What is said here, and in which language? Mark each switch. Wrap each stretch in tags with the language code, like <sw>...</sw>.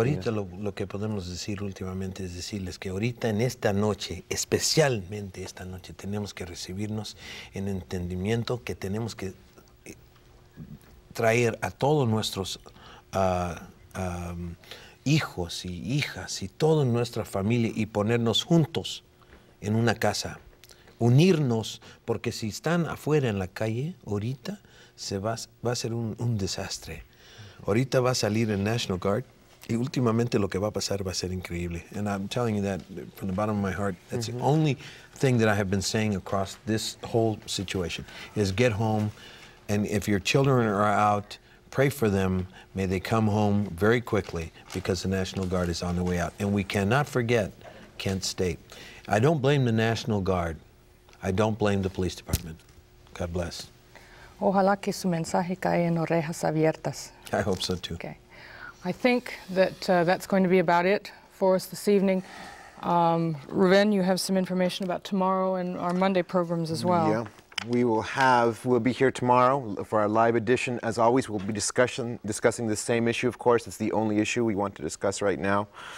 <es>Ahorita lo que podemos decir últimamente es decirles que ahorita en esta noche, especialmente esta noche, tenemos que recibirnos en entendimiento, que tenemos que traer a todos nuestros hijos y hijas y toda nuestra familia y ponernos juntos en una casa, unirnos, porque si están afuera en la calle, ahorita va a ser un desastre. Ahorita va a salir el National Guard y últimamente lo que va a pasar va a ser increíble.</es> <en>And I'm telling you that from the bottom of my heart, that's the only thing that I have been saying across this whole situation, is get home, and if your children are out, pray for them. May they come home very quickly, because the National Guard is on their way out. And we cannot forget Kent State. I don't blame the National Guard. I don't blame the police department. God bless.</en> <es>Ojalá que su mensaje caiga en orejas abiertas.</es> <en>I hope so, too. Okay. I think that that's going to be about it for us this evening. Rubén, you have some information about tomorrow and our Monday programs as well. Yeah. We'll be here tomorrow for our live edition. As always, we'll be discussing the same issue, of course. It's the only issue we want to discuss right now.</en>